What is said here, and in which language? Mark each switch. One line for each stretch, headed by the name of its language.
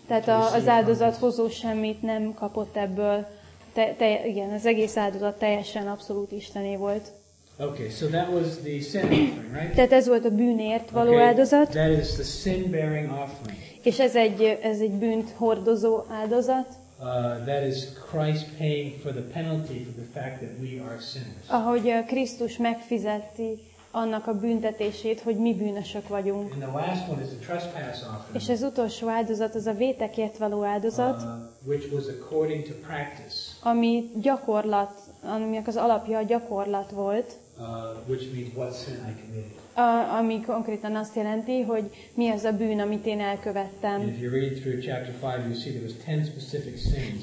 Hungarian: tehát az áldozathozó semmit nem kapott ebből. Igen, az egész áldozat teljesen abszolút Istené volt.
English: Okay, so that was the sin offering, right?
Hungarian: Tehát ez volt a bűnért való okay, áldozat.
English: That is the sin-bearing offering.
Hungarian: És ez egy bűnt hordozó áldozat.
English: That is Christ paying for the penalty for the fact that we are sinners.
Hungarian: Ahogy Krisztus megfizeti annak a büntetését, hogy mi bűnösök vagyunk.
English: And the last one is the trespass offering.
Hungarian: És az utolsó áldozat az a vétekért való áldozat,
English: which was according to practice.
Hungarian: Ami gyakorlat, aminek az alapja a gyakorlat volt.
English: Which means what sin I committed.
Hungarian: Ami konkrétan azt jelenti, hogy mi az a bűn, amit én elkövettem.
English: And if you read through chapter 5, you see there was 10 specific sins.